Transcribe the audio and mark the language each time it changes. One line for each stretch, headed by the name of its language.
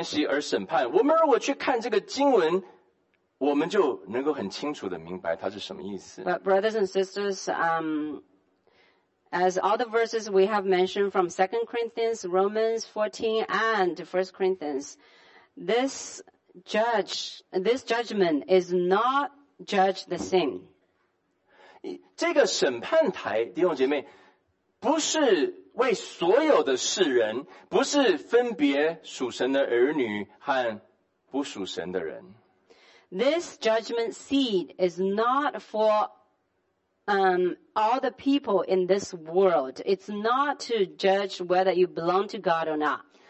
Chinese: 可是弟兄姐妹，不论是在哥林多后书，或者是罗马书，或者是在这边哥林多前书第9章24到27节里面讲到的这个审判，弟兄姐妹，不是因为罪的关系而审判。我们如果去看这个经文， 我们就能够很清楚地明白它是什么意思。
English: But brothers and sisters, as all the verses we have mentioned from 2 Corinthians, Romans 14, and 1 Corinthians, this judgment is not judge the sin.
Chinese: 这个审判台，弟兄姐妹，不是为所有的世人，不是分别属神的儿女和不属神的人。
English: This judgment seat is not for all the people in this world. It's not to judge whether you belong to God or not.